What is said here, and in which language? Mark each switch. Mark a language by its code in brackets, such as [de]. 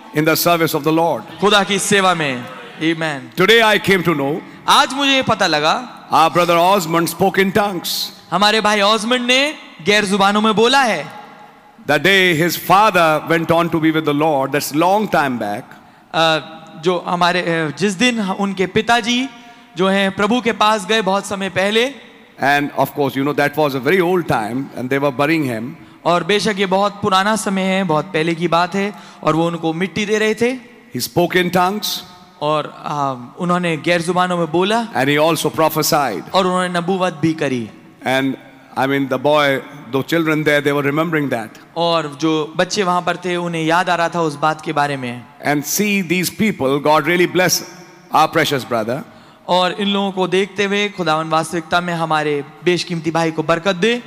[en] In the service of the Lord. [hi] खुदा की सेवा में. Amen. [en] Today I came to know. [hi] आज मुझे पता लगा. [en] Our brother Osmond spoke in tongues. [hi] हमारे भाई ऑसमंड ने गैर जुबानों में बोला है. [en] The day his father went on to be with the Lord, that's long time back. [hi] जो हमारे जिस दिन उनके पिताजी जो हैं प्रभु के पास गए बहुत समय पहले. [en] And of course, you know that was a very old time, and they were burying him. [hi] और बेशक ये बहुत पुराना समय है, बहुत पहले की बात है, और वो उनको मिट्टी दे रहे थे. [en] He spoke in tongues. [hi] और उन्होंने गैर जुबानों में बोला. [en] And he also prophesied. [hi] और उन्होंने नबुवत भी करी. [en] And I mean the boy, the children there, they were remembering that. [hi] और जो बच्चे वहाँ पर थे, उन्हें याद आ रहा था उस बात के बारे में. [en] And see these people, God really bless our precious brother. [hi] और इन लोगों को देखते हुए खुदावन वास्तविकता में हमारे बेशकीमती भाई को बरकत दे.